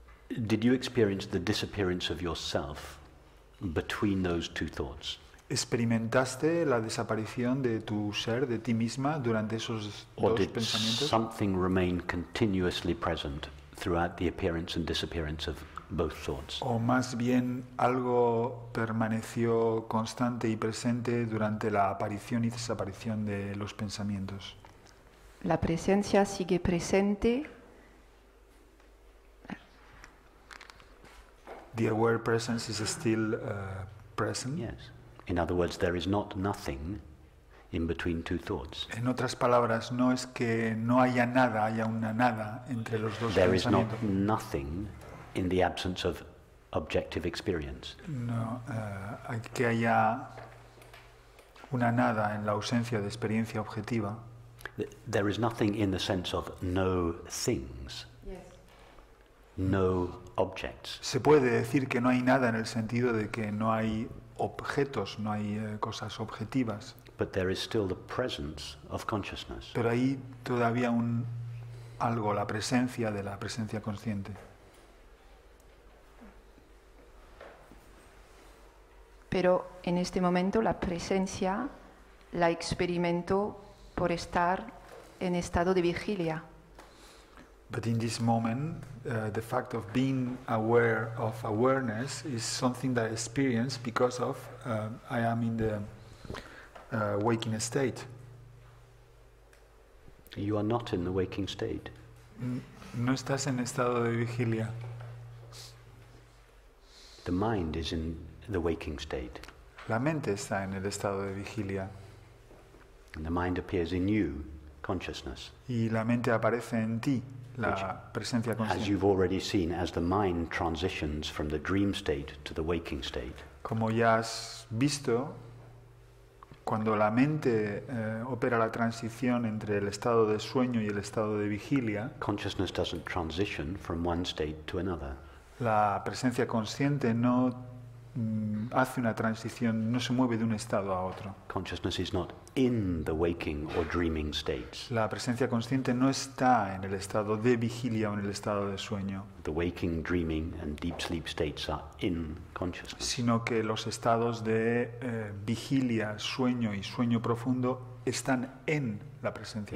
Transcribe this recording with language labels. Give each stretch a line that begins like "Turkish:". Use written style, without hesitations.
English: Did you experience the disappearance of yourself between those two thoughts?
Spanish: ¿Experimentaste la desaparición de tu ser, de ti misma, durante esos
English: or
Spanish: dos pensamientos?
English: Did something remain continuously present throughout the appearance and disappearance of both thoughts?
Spanish: ¿O más bien algo permaneció constante y presente durante la aparición y desaparición de los pensamientos? La presencia sigue presente.
English: The aware presence is still present. Yes. In other words, there is not nothing in between two thoughts.
Spanish: En otras palabras, no es que no haya nada, haya una nada entre los dos
English: there
Spanish: pensamientos.
English: There is not nothing in the absence of objective experience.
Spanish: No, hay que haya una nada en la ausencia de experiencia objetiva.
English: There is nothing in the sense of no things. Yes. No objects.
Spanish: Se puede decir que no hay nada en el sentido de que no hay objetos, no hay cosas objetivas.
English: But there is still the presence of consciousness.
Spanish: Pero hay todavía un algo, la presencia de la presencia consciente. Pero en este momento la presencia la experimento por estar en estado de vigilia.
English: But in this moment, the fact of being aware of awareness is something that I experience because of I am in the waking state. You are not in the waking state.
Spanish: No estás en estado de vigilia.
English: The mind is in the waking state.
Spanish: La mente está en el estado de vigilia.
English: And the mind appears in you, consciousness.
Spanish: Y la mente aparece en ti. La presencia consciente.
English: As you've already seen, as the mind transitions from the dream state to the waking state.
Spanish: Como ya has visto, cuando la mente opera la transición entre el estado de sueño y el estado de vigilia,
English: consciousness doesn't transition from one state to another.
Spanish: La presencia consciente no hace una transición, no se mueve de un estado a otro.
English: Consciousness is not in the waking or dreaming states.
Spanish: La presencia consciente no está en el estado de vigilia o en el estado de sueño.
English: The waking, dreaming and deep sleep states are in consciousness.
Spanish: Sino que los estados de vigilia, sueño y sueño profundo están en la presencia